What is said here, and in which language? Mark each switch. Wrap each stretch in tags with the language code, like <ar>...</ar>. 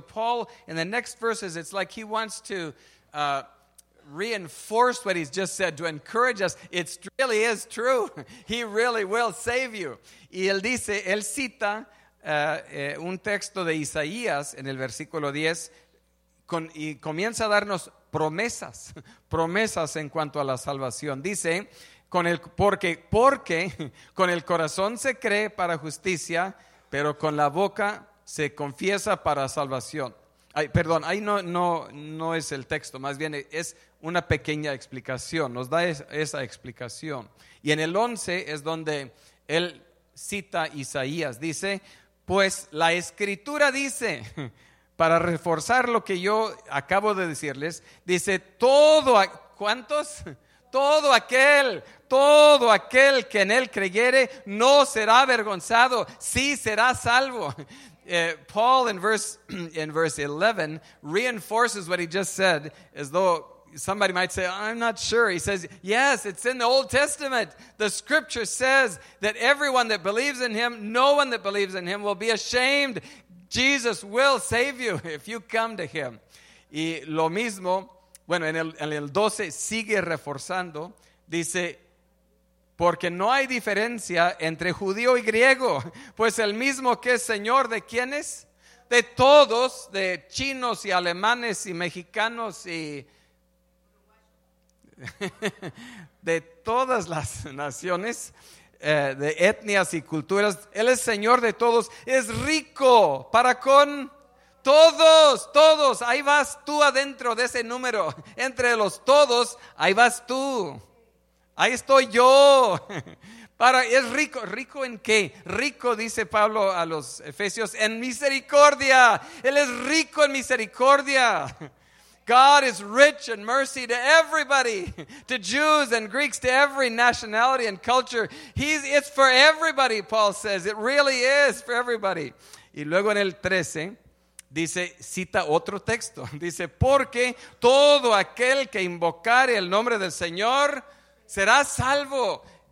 <en>Paul, in the next verses, it's like he wants to reinforce what he's just said, to encourage us. It really is true. He really will save you.</en> <es>Y él dice, él cita un texto de Isaías en el versículo 10 y comienza a darnos promesas en cuanto a la salvación. Dice, porque con el corazón se cree para justicia, pero con la boca se confiesa para salvación. Ahí no es el texto, más bien es una pequeña explicación, nos da esa explicación. Y en el 11 es donde él cita Isaías, dice, Pues la escritura dice, para reforzar lo que yo acabo de decirles, dice todo aquel que en él creyere no será avergonzado, sí será salvo.</es> <en>Paul in verse 11 reinforces what he just said, as though somebody might say, I'm not sure. He says, yes, it's in the Old Testament. The scripture says that everyone that believes in him, no one that believes in him will be ashamed. Jesus will save you if you come to him.</en> <es>Y lo mismo, bueno, en el 12 sigue reforzando, dice, porque no hay diferencia entre judío y griego, pues el mismo que es Señor de quienes, de todos, de chinos y alemanes y mexicanos y de todas las naciones, de etnias y culturas, Él es Señor de todos, es rico para con todos, todos, ahí vas tú adentro de ese número, entre los todos, ahí vas tú. Ahí estoy yo. Para, es rico. ¿Rico en qué? Rico, dice Pablo a los Efesios, en misericordia. Él es rico en misericordia.</es> <en>God is rich in mercy to everybody, to Jews and Greeks, to every nationality and culture. It's for everybody, Paul says. It really is for everybody.</en> <es>Y luego en el 13, dice, cita otro texto. Dice, porque todo aquel que invocare el nombre del Señor será salvo.</es>